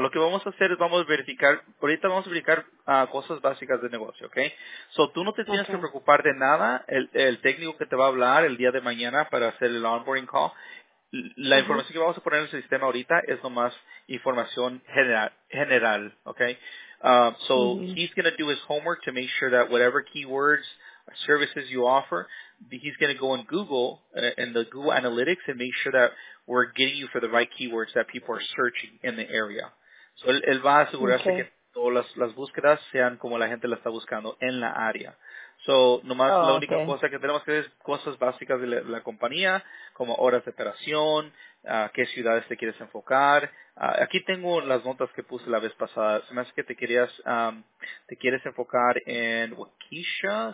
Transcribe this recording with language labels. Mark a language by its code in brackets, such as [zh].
[es] Lo que vamos a hacer es vamos a verificar cosas básicas de negocio, ¿ok? So, tú no te tienes que preocupar de nada. El técnico que te va a hablar el día de mañana para hacer el onboarding call, la información que vamos a poner en el sistema ahorita es nomás información general, ¿ok? [en] He's going to do his homework to make sure that whatever keywords services you offer, he's going to go on Google and the Google Analytics and make sure that we're getting you for the right keywords that people are searching in the area. [es] So él va a asegurarse que todas las búsquedas sean como la gente la está buscando en la área. So nomás la única cosa que tenemos que hacer es cosas básicas de la compañía, como horas de operación, qué ciudades te quieres enfocar. Aquí tengo las notas que puse la vez pasada. Se me hace que te quieres enfocar en Waukesha.